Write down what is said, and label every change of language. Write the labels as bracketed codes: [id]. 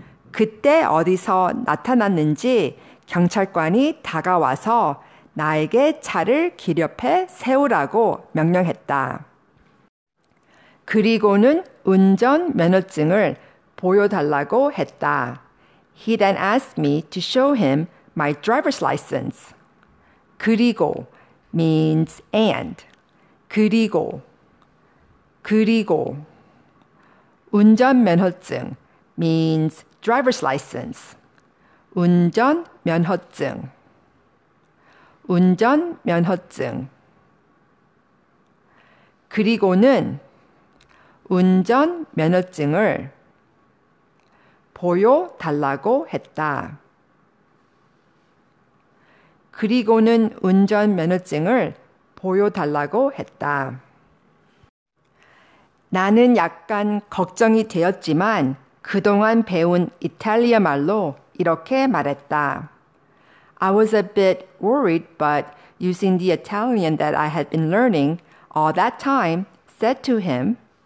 [ko] 그때 어디서 나타났는지 경찰관이 다가와서 나에게 차를 길 옆에 세우라고 명령했다. 그리고는 운전 면허증을 보여달라고 했다. [en] He then asked me to show him my driver's license. [ko] 그리고 [en] means and. [ko] 그리고, 그리고. [en] 운전면허증 means driver's license. [ko] 운전면허증, 운전면허증. 그리고는 운전면허증을 보여달라고 했다. 그리고는 운전면허증을 보여달라고 했다. 나는 약간 걱정이 되었지만 그동안 배운 이탈리아 말로 이렇게 말했다. [en] I was a bit worried, but using the Italian that I had been learning all that time, said to him,